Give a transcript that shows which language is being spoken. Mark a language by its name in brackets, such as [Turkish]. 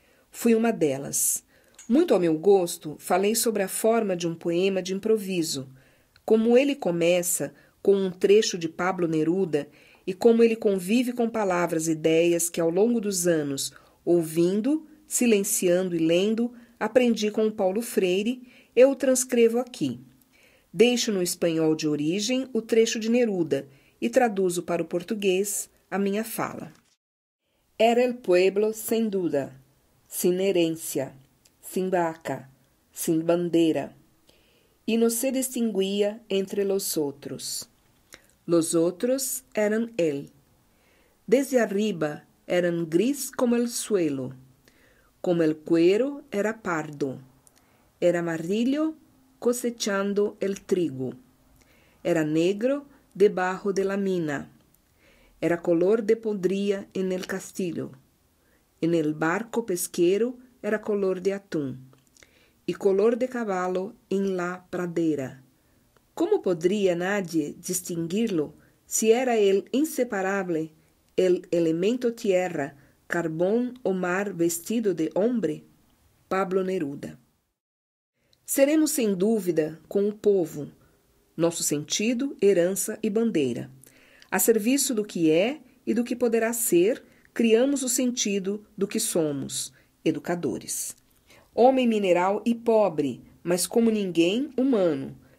[Portuguese] Fui uma delas. Muito ao meu gosto, falei sobre a forma de um poema de improviso, como ele começa com um trecho de Pablo Neruda e como ele convive com palavras e ideias que, ao longo dos anos, ouvindo, silenciando e lendo, aprendi com o Paulo Freire, eu o transcrevo aqui. Deixo no espanhol de origem o trecho de Neruda e traduzo para o português a minha fala. [Spanish] Era el pueblo sem duda, sin herencia, sin vaca, sin bandera, y no se distinguía entre los otros. Los otros eran él. Desde arriba eran gris como el suelo, como el cuero era pardo, era amarillo cosechando el trigo, era negro debajo de la mina, era color de podría en el castillo, en el barco pesquero era color de atún, y color de caballo en la pradera. ¿Cómo podría nadie distinguirlo si era él inseparable, el elemento tierra, carbón o mar vestido de hombre? Pablo Neruda. [Portuguese] Seremos sem dúvida com o povo, nosso sentido, herança e bandeira. A serviço do que é e do que poderá ser, criamos o sentido do que somos, educadores. Homem mineral e pobre, mas como ninguém, humano.